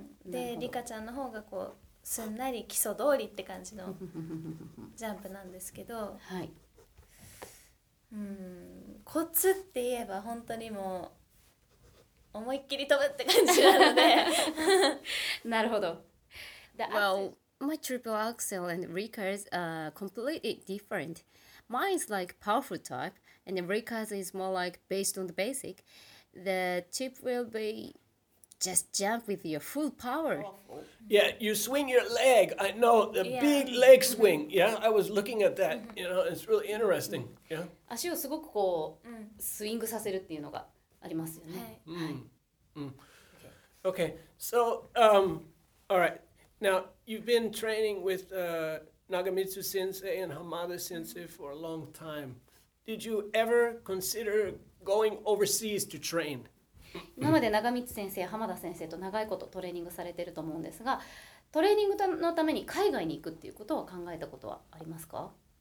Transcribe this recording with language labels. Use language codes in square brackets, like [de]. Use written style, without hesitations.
[ja] でリカちゃんの方がこうすんなり基礎通りって感じのジャンプなんですけど、はい、コツって言えば本当にもう思いっきり飛ぶって感じなのでなるほど。 [en] Well, my triple axel and Rika's are completely different. mine is like powerful type, and the Rika's is more like based on the basic. The tip will be just jump with your full power. Yeah, you swing your leg. I know, the big leg swing. Yeah, I was looking at that. You know, it's really interesting. Yeah. [ja] 足をすごくこうスイングさせるっていうのがありますよね。 [en] Okay, so, all right. Now, you've been training with Nagamitsu Sensei and Hamada Sensei for a long time. Did you ever consider going overseas to train? [ja] 今まで長光先生、浜田先生と長いことトレーニングされていると思うんですが、トレーニングのために海外に行くっていうことを考えたことはありますか？